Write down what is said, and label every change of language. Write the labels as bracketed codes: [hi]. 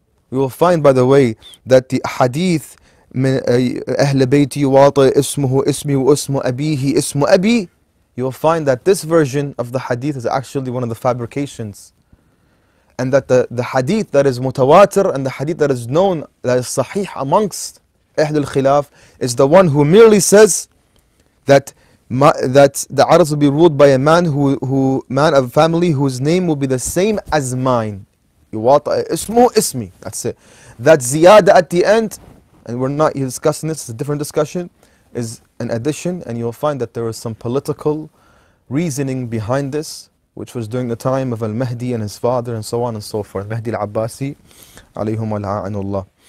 [en] We will find, by the way, that the hadith [ar] من أهل بيتي واطئ اسمه اسمي واسم أبيه اسم أبي, [en] you will find that this version of the hadith is actually one of the fabrications, and that the hadith that is mutawatir and the hadith that is known, that is sahih amongst [ar] أهل الخلاف, [en] is the one who merely says that the Arabs will be ruled by a man who of family whose name will be the same as mine. [ar] يواطئ اسمه اسمي, [en] that's it. That ziyada at the end, and we're not discussing this, it's a different discussion, is an addition, and you'll find that there is some political reasoning behind this, which was during the time of Al-Mahdi and his father and so on and so forth, Mahdi al-Abbasi alayhum al-a'anullah.